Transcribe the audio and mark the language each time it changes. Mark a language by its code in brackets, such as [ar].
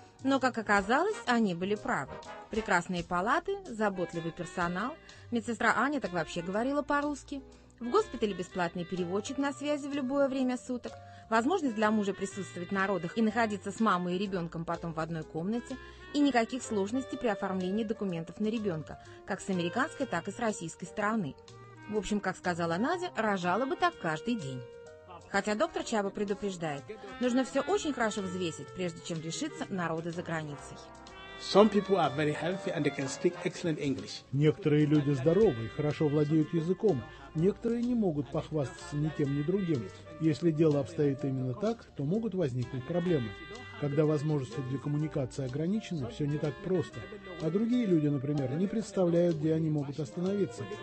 [ru] Но, как оказалось, они были правы. Прекрасные палаты, заботливый персонал, медсестра Аня так вообще говорила по-русски, в госпитале бесплатный переводчик на связи в любое время суток, возможность для мужа присутствовать на родах и находиться с мамой и ребенком потом в одной комнате, и никаких сложностей при оформлении документов на ребенка, как с американской, так и с российской стороны. В общем, как сказала Надя, рожала бы так каждый день. Хотя доктор Чаба предупреждает, нужно все очень хорошо взвесить, прежде чем решиться на роды за границей. [en] Some people are very healthy and they can speak excellent English. [ru] Некоторые люди здоровы и хорошо владеют языком. Некоторые не могут похвастаться ни тем, ни другим. Если дело обстоит именно так, то могут возникнуть проблемы. Когда возможности для коммуникации ограничены, все не так просто. А другие люди, например, не представляют, где они могут остановиться.